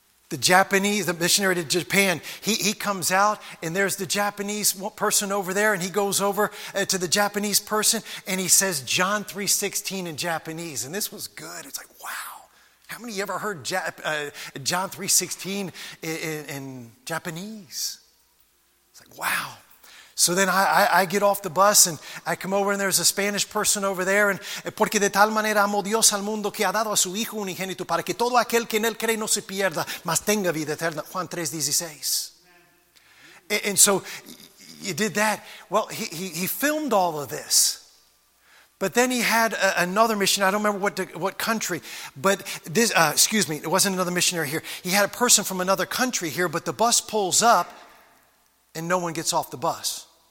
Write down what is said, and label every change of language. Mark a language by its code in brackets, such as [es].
[en] The Japanese, the missionary to Japan, he comes out and there's the Japanese person over there, and he goes over to the Japanese person and he says John 3:16 in Japanese. And this was good. It's like, wow. How many of you ever heard John 3:16 in Japanese? It's like, wow. So then I get off the bus and I come over and there's a Spanish person over there. [es] And porque de tal manera amó Dios al mundo que ha dado a su hijo unigénito para que todo aquel que en él cree no se pierda, mas tenga vida eterna. [en] Juan 3:16. And so you did that. Well, he filmed all of this. But then he had another mission. I don't remember what country, but this, excuse me, it wasn't another missionary here. He had a person from another country here, but the bus pulls up. And no one gets off the bus.